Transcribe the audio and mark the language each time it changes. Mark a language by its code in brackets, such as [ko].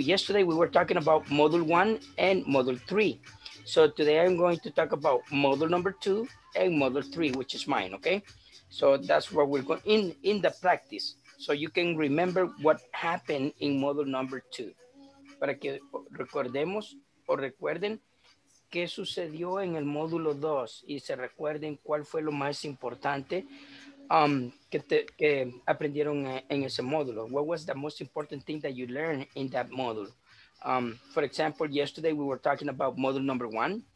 [en] Yesterday we were talking about module 1 and module 3. So today I'm going to talk about module number 2 and module 3, which is mine, okay? So that's where we're going in the practice. So you can remember what happened in module number 2. [es] Para que recordemos o recuerden qué sucedió en el módulo 2 y se recuerden cuál fue lo más importante que aprendieron en ese módulo. [en] What was the most important thing that you learned in that module? For example, yesterday we were talking about module number 1.